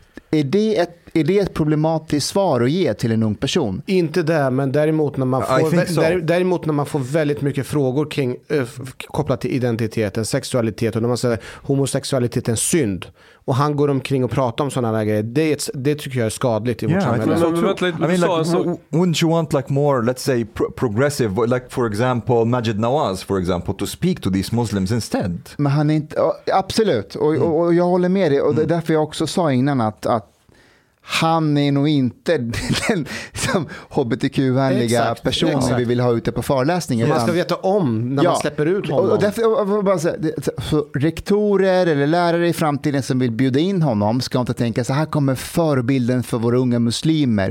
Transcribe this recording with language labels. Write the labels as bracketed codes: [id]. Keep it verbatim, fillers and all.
[sv] Är det ett, är det ett problematiskt svar att ge till en ung person? Inte det, men däremot när man får, vä- so. där, däremot när man får väldigt mycket frågor kring, äh, kopplat till identiteten, sexualitet, och när man säger homosexualitet är en synd och han går omkring och pratar om sådana grejer, det, det tycker jag är skadligt i vårt yeah, samhälle. [en] I, so I mean, like, w- wouldn't you want like more, let's say, pro- progressive, like for example Majid Nawaz, for example, to speak to these Muslims instead? [sv] Men han är inte, absolut, och, mm. och, och jag håller med dig, och det är därför jag också sa innan att, att han är nog inte den som hbtq-vänliga exakt, personen exakt. vi vill ha ute på föreläsningen. Man ska veta om när ja, man släpper ut honom. Och därför, bara så, så rektorer eller lärare i framtiden som vill bjuda in honom ska inte tänka så här kommer förebilden för våra unga muslimer.